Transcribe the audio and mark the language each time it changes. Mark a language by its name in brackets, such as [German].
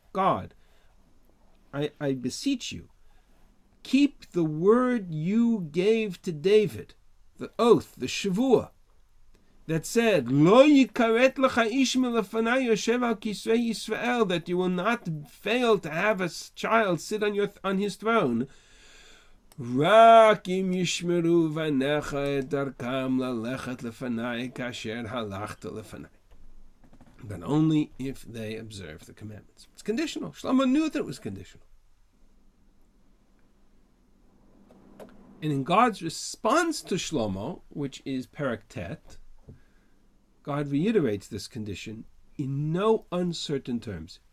[English] God, I beseech you, keep the word you gave to David, the oath, the shavua, that said, [Hebrew] Lo yikaret lecha ish melefanai yoshev al kisrei Yisrael, [English] that you will not fail to have a child sit on his throne. [Hebrew] רק אם ישמרו בניך את דרכם ללכת לפניי כאשר הלכת לפניי. [English] But only if they observe the commandments. It's conditional. Shlomo knew that it was conditional. And in God's response to Shlomo, which is Perek Tet, God reiterates this condition in no uncertain terms.